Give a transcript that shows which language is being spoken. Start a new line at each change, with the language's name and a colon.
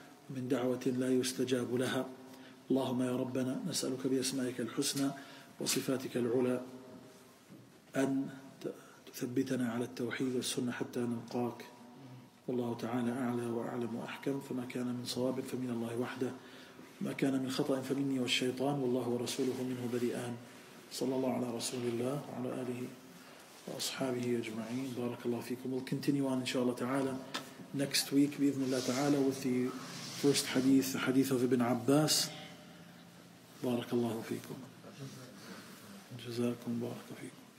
Arabic: من دعوة لا يستجاب لها. اللهم يا ربنا نسألك بأسمائك الحسنى وصفاتك العلى أن تثبتنا على التوحيد والسنة حتى نلقاك، والله تعالى أعلى وأعلم وأحكم. فما كان من صواب فمن الله وحده، ما كان من خطأ فمني والشيطان، والله ورسوله منه بريئان. صلى الله على رسول الله وعلى آله وأصحابه أجمعين، بارك الله فيكم.
English: We'll continue on
Arabic: إن شاء الله تعالى
English: next week
Arabic: بإذن الله تعالى
English: with the first hadith, the hadith of Ibn Abbas.
Arabic: بارك الله فيكم، جزاكم بارك فيكم.